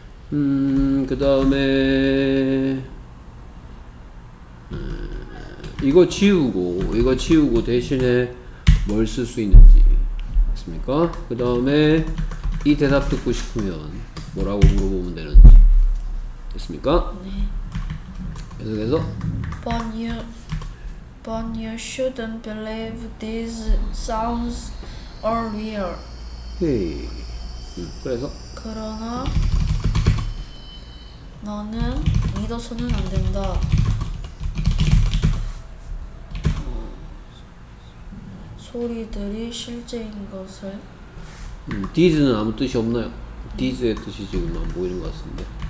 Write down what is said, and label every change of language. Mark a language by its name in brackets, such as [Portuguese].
[Korean] 그 다음에 이거 치우고 대신에 뭘 쓸 수 있는지 있습니까? 그 다음에 이 대답 듣고 싶으면 뭐라고 물어보면 되는지 있습니까? 네. 계속해서 [English] But you shouldn't believe these sounds are real. [Korean] 오케이. 그래서 그러나 너는 믿어서는 안 된다. 소리들이 실제인 것을. These는 아무 뜻이 없나요? These의 뜻이 지금 안 보이는 것 같은데.